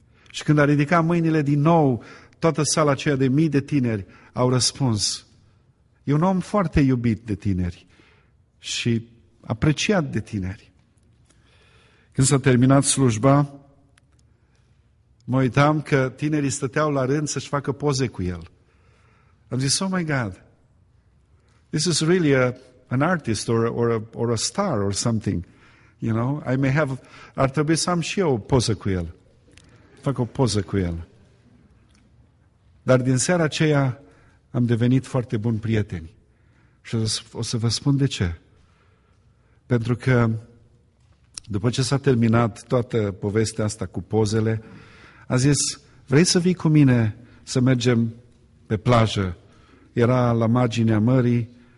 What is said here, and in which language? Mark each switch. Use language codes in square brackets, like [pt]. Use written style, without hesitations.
[ro] Și când a ridicat mâinile din nou, toată sala aceea de mii de tineri au răspuns. E un om foarte iubit de tineri și apreciat de tineri. Când s-a terminat slujba, mă uitam că tinerii stăteau la rând să-și facă poze cu el. Am zis, [en] oh my God, this is really an artist or a star or something. You know, [ro] ar trebui să am și eu o poză cu el. Fac o poză cu el. Dar din seara aceea am devenit foarte buni prieteni. Și o să vă spun de ce. Pentru că după ce s-a terminat toată povestea asta cu pozele, a zis, vrei să vii cu mine să mergem pe plajă? Era la marginea mării,